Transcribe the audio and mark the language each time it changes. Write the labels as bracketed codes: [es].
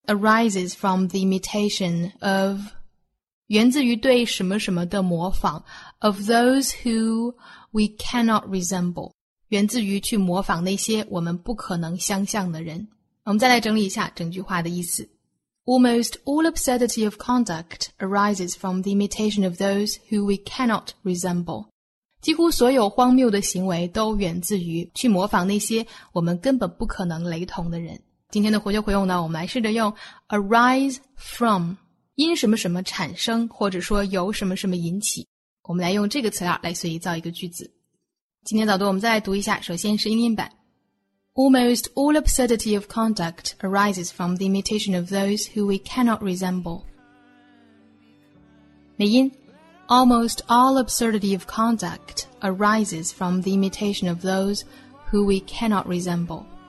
[en] Arises from the imitation of [zh] 源自于对什么什么的模仿 [en] of those who we cannot resemble. [zh] 源自于去模仿那些我们不可能相像的人。我们再来整理一下整句话的意思。 [en] Almost all absurdity of conduct arises from the imitation of those who we cannot resemble. [zh] 几乎所有荒谬的行为都源自于去模仿那些我们根本不可能雷同的人。今天的活学活用呢，我们来试着用 [en] arise from [zh] 因什么什么产生，或者说由什么什么引起。我们来用这个词来随意造一个句子。今天早读我们再来读一下，首先是英音版。 [en] Almost all absurdity of conduct arises from the imitation of those who we cannot resemble. [zh] 美音 [en] Almost all absurdity of conduct arises from the imitation of those who we cannot resemble.